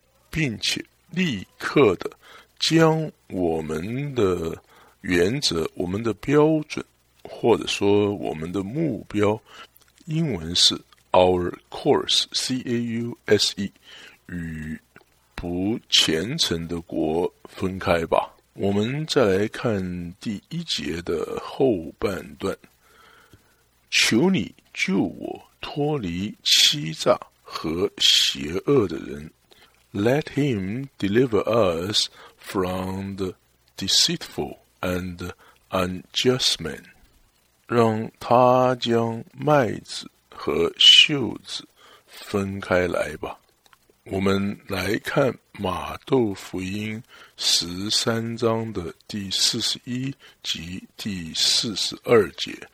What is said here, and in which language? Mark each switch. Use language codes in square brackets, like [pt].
[zh] 并且立刻的将我们的原则、我们的标准，或者说我们的目标，英文是 [en] our course C-A-U-S-E， [zh] 与不虔诚的国分开吧。我们再来看第一节的后半段，求你救我脱离欺诈和邪恶的人， [en] Let him deliver us from the deceitful and unjust man. [zh] 让他将麦子和秀子分开来吧。我们来看马窦福音十三章的第四十一及第四十二节。